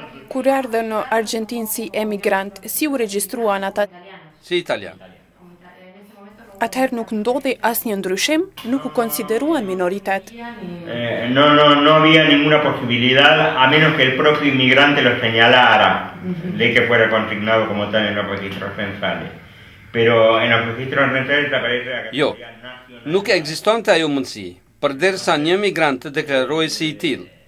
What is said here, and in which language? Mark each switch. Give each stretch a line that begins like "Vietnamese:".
Albanian: Kur erdhën në Argentinë si emigrant, si u regjistruan ata? Si italian. Atëherë nuk ndodhi asnjë ndryshim, nuk u konsideruan minoritet.
Spanish: No había ninguna posibilidad a menos que el propio inmigrante lo señalara de que fuera consignado como tal en los registros censales. Pero en los registros censales aparece la
Albanian: Jo. Nuk ekzistonte ajo mundësi, përderisa një emigrant të deklarohej si i till.